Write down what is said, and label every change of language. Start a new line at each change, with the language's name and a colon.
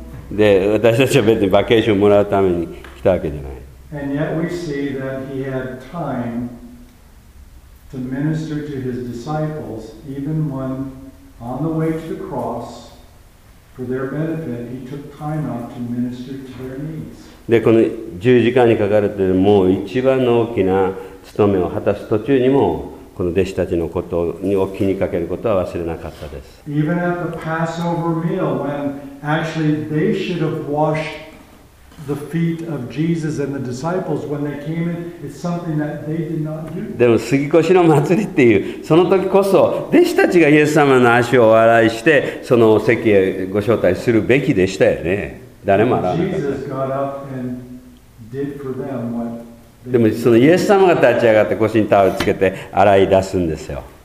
Japanese: で、私たちは別にバケーションをもらうために来たわけじゃない。
English: And yet we see that he had time to minister to his disciples, even when on the way to the cross, for their benefit, he took time out to minister to their needs.
Japanese: で、この十字架にかかるというのはもう一番の大きな務めを果たす途中にもこの弟子たちのことにお気にかけることは忘れなかったです。
English: Even at the Passover meal when actually they should have washed the feet of Jesus and the disciples when they came in, it's something that they did not do.
Japanese: でも杉越の祭りっていうその時こそ弟子たちがイエス様の足をお洗いしてそのお席へご招待するべきでしたよね。誰も洗わなかった。
English: Jesus got up and did for them what
Japanese: でもそのイエス様が立ち上がって腰にタオルつけて洗い出すんですよ。